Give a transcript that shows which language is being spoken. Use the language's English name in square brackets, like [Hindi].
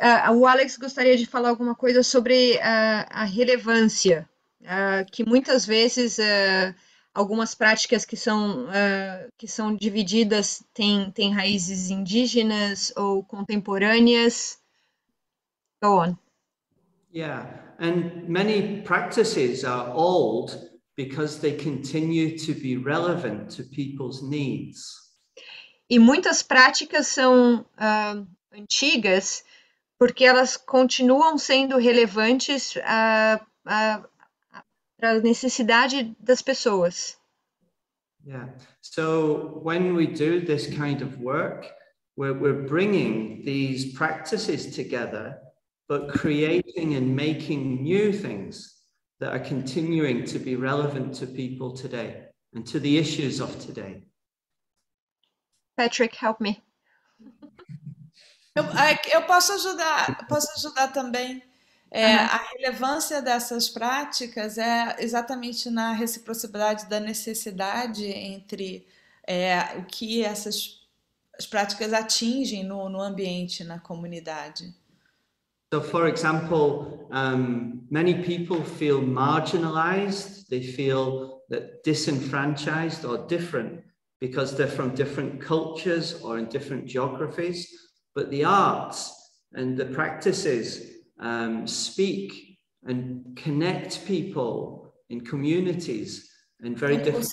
[Portuguese] O Alex gostaria de falar alguma coisa sobre a relevância, que muitas vezes algumas práticas que são divididas têm raízes indígenas ou contemporâneas. [English] Go on. Yeah, and many practices are old because they continue to be relevant to people's needs. [Portuguese] E muitas práticas são antigas porque elas continuam sendo relevantes para a necessidade das pessoas. [English] Yeah. So when we do this kind of work, we're bringing these practices together, but creating and making new things that are continuing to be relevant to people today and to the issues of today. Patrick, help me. [Portuguese] Eu posso ajudar também. Uh-huh. A relevância dessas práticas é exatamente na reciprocidade da necessidade entre o que as práticas atingem no ambiente, na comunidade. [English] So, for example, many people feel marginalized, they feel that disenfranchised or different. Because they're from different cultures or in different geographies, but the arts and the practices speak and connect people in communities in very different ways.